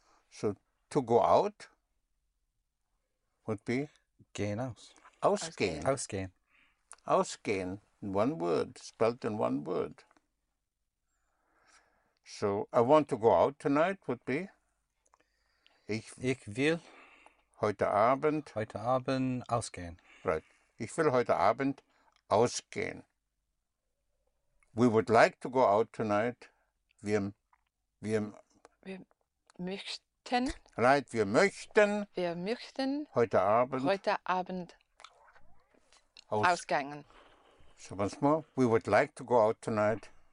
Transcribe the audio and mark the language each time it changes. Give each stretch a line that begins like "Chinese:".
English: So to go out would be?
German: Gehen aus. Ausgehen. Ausgehen.
English: Ausgehen, in one word, spelled in one word. So, I want to go out tonight would be?
German: Ich will heute Abend ausgehen.
English: Right.
German: Ich will heute Abend ausgehen.
English: We would like to go out tonight.
German: Wir möchten.
English: Right,
German: wir möchten. Wir möchten heute Abend ausgehen.
English: So once more, we would like to go out tonight.